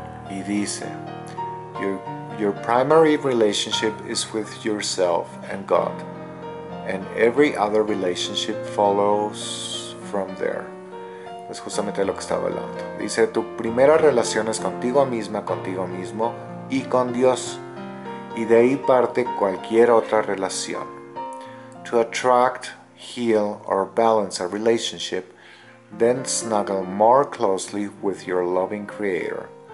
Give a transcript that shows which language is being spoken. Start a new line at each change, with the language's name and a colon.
Spanish: Y dice,
English: your primary relationship is with yourself and God, and every other relationship follows from there.
Spanish: Es justamente lo que estaba hablando. Dice, tu primera relación es contigo misma, contigo mismo y con Dios. y de ahí parte cualquier otra relación.
English: To attract, heal, or balance a relationship, then snuggle more closely with your loving creator.